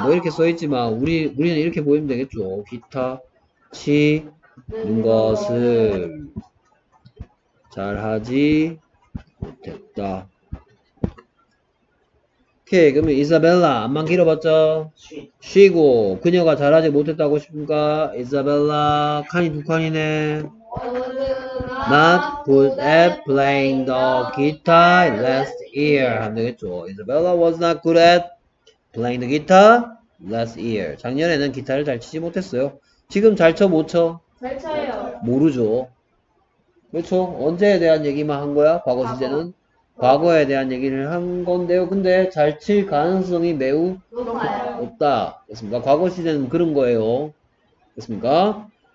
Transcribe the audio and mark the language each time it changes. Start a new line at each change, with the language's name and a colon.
Korean: 뭐 이렇게 써있지만 우리는 이렇게 보이면 되겠죠. 기타 치 는 것을 잘하지 못했다. 오케이. 그러면 이사벨라 암만 길어봤죠? 쉬고 그녀가 잘하지 못했다고 싶은가? 이사벨라 칸이 두 칸이네.
English: Not good at playing the guitar last year.
Korean: 하면 되겠죠.
English: Isabella was not good at playing the guitar last year.
Korean: 작년에는 기타를 잘 치지 못했어요. 지금 잘 쳐, 못 쳐? 잘 쳐요. 모르죠. 그렇죠. 언제에 대한 얘기만 한 거야? 과거 시제는? 과거에 대한 얘기를 한 건데요. 근데 잘 칠 가능성이 매우 높아요. 없다. 됐습니까? 과거 시제는 그런 거예요. 됐습니까?